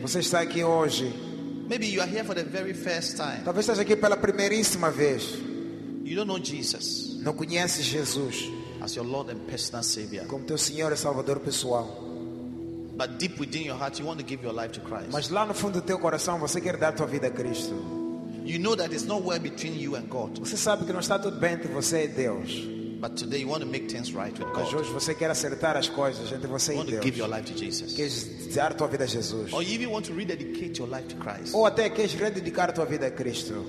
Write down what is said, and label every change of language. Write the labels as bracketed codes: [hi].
[pt] Você está aqui hoje. [en] Maybe you are here for the very first time. [pt] Talvez esteja aqui pela primeiríssima vez. [en] You don't know Jesus. [pt] Não conhece Jesus [en] as your Lord and personal Savior. [pt] Como teu Senhor e Salvador pessoal. [en] But deep within your heart, you want to give your life to Christ. [pt] Mas lá no fundo do teu coração, você quer dar tua vida a Cristo. [en] You know that it's not well between you and God. [pt] Você sabe que não está tudo bem entre você e Deus. [en] But today you want to make things right with God. [pt] Hoje você quer acertar as coisas entre você e Deus. [en] You want to give your life to Jesus. [pt] Quer dar tua vida a Jesus. [en] Or you even want to rededicate your life to Christ. [pt] Ou até quer rededicar tua vida a Cristo.